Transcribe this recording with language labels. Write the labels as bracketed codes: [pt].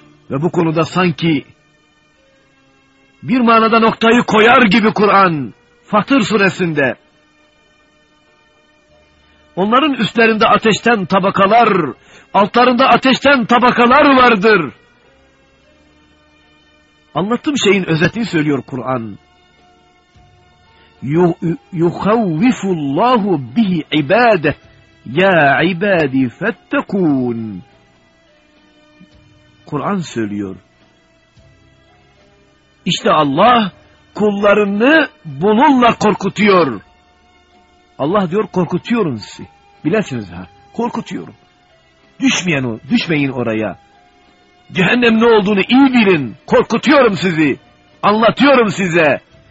[tr] Ve bu konuda sanki bir manada noktayı koyar gibi Kur'an, Fatır suresinde, onların üstlerinde ateşten tabakalar, altlarında ateşten tabakalar vardır. Anlattığım şeyin özetini söylüyor Kur'an. [ar] يُخَوِّفُ اللّٰهُ بِهِ عِبَادَهِ يَا عِبَادِ فَتَّقُونَ [tr] Kur'an söylüyor. İşte Allah kullarını bununla korkutuyor. Allah diyor korkutuyorum sizi. Bilesiniz ha. Korkutuyorum. Düşmeyin oraya. Cehennem ne olduğunu iyi bilin. Korkutuyorum sizi. Anlatıyorum size.